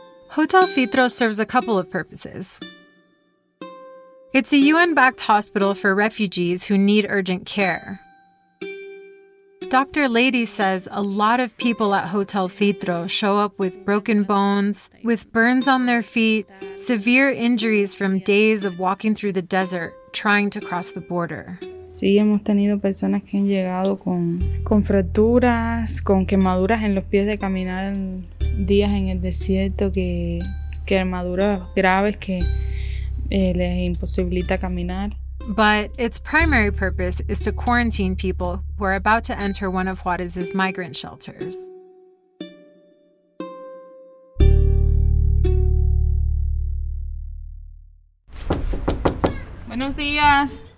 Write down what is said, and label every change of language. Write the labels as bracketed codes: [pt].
[en] Hotel Fitro serves a couple of purposes. It's a UN-backed hospital for refugees who need urgent care. Dr. Lady says a lot of people at Hotel Fitro show up with broken bones, with burns on their feet, severe injuries from days of walking through the desert, trying to cross the border. [es] Sí, hemos tenido personas que han llegado con fracturas, con quemaduras en los pies de caminar días en el desierto, que quemaduras graves que les imposibilita caminar. [en] But its primary purpose is to quarantine people who are about to enter one of Juarez's migrant shelters. [es] Buenos días.